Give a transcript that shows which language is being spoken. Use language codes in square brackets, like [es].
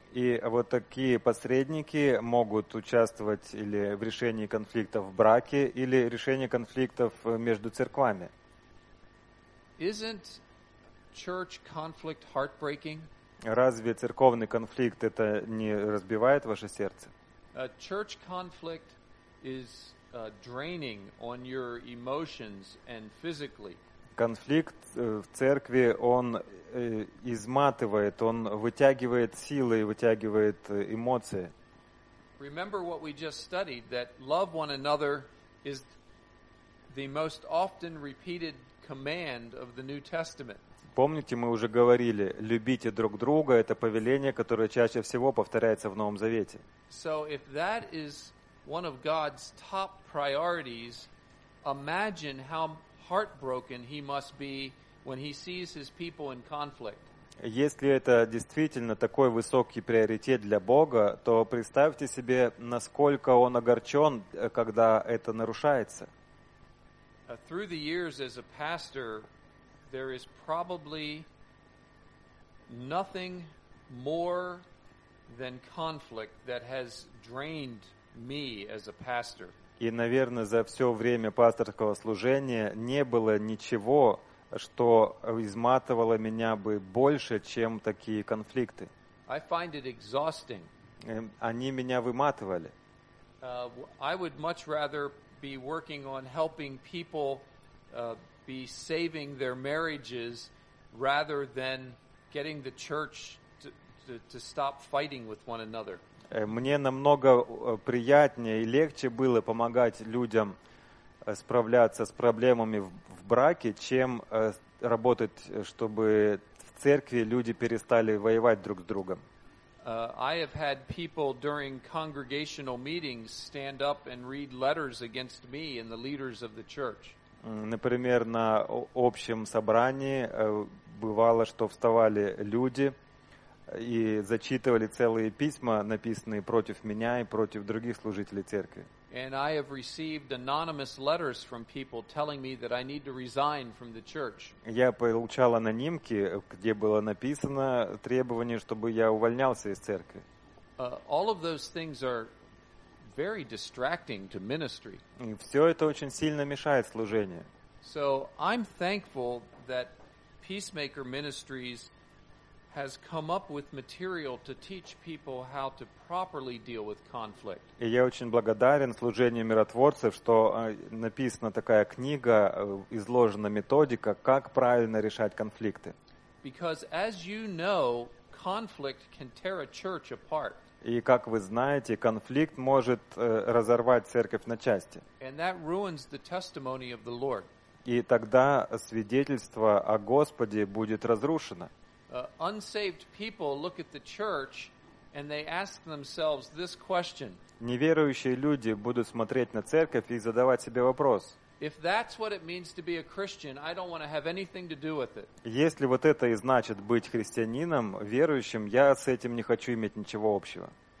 [ru] И вот такие посредники могут участвовать или в решении конфликтов в браке, или решении конфликтов между церквами. [en] Isn't church conflict heartbreaking? [ru] Разве церковный конфликт это не разбивает ваше сердце? [en] Church conflict is draining on your emotions and physically. [ru] Конфликт в церкви, он изматывает, он вытягивает силы и вытягивает эмоции. [en] Remember what we just studied, that love one another is the most often repeated command of the New Testament. [ru] Помните, мы уже говорили, любите друг друга, это повеление, которое чаще всего повторяется в Новом Завете. [en] So if that is one of God's top priorities, imagine how heartbroken he must be when he sees his people in conflict. [ru] Если это действительно такой высокий приоритет для Бога, то представьте себе, насколько он огорчен, когда это нарушается. [en] Through the years as a pastor, there is probably nothing more than conflict that has drained me as a pastor. [ru] И, наверное, за все время пасторского служения не было ничего, что изматывало меня бы больше, чем такие конфликты. [en] I find it exhausting. [ru] Они меня выматывали. [en] I would much rather be working on helping people be saving their marriages rather than getting the church to stop fighting with one another. [ru] Мне намного приятнее и легче было помогать людям справляться с проблемами в браке, чем работать, чтобы в церкви люди перестали воевать друг с другом. [en] I have had people during congregational meetings stand up and read letters against me and the leaders of the church. [ru] Например, на общем собрании бывало, что вставали люди и зачитывали целые письма, написанные против меня и против других служителей церкви. [en] And I have received anonymous letters from people telling me that I need to resign from the church. [ru] Я получал анонимки, где было написано требование, чтобы я увольнялся из церкви. [en] All of those things are very distracting to ministry. [ru] И все это очень сильно мешает служению. [en] So I'm thankful that Peacemaker Ministries has come up with material to teach people how to properly deal with conflict. [ru] И я очень благодарен служению миротворцев, что написана такая книга, изложена методика, как правильно решать конфликты. [en] Because as you know, conflict can tear a church apart. [ru] И как вы знаете, конфликт может разорвать церковь на части. [en] And that ruins the testimony of the Lord. [ru] И тогда свидетельство о Господе будет разрушено. [en] Unsaved people look at the church and they ask themselves this question. [ru] Неверующие люди будут смотреть на церковь и задавать себе вопрос. [en] If that's what it means to be a Christian, I don't want to have anything to do with it. [ru] Если вот это и значит быть христианином, верующим, я с этим не хочу иметь ничего общего.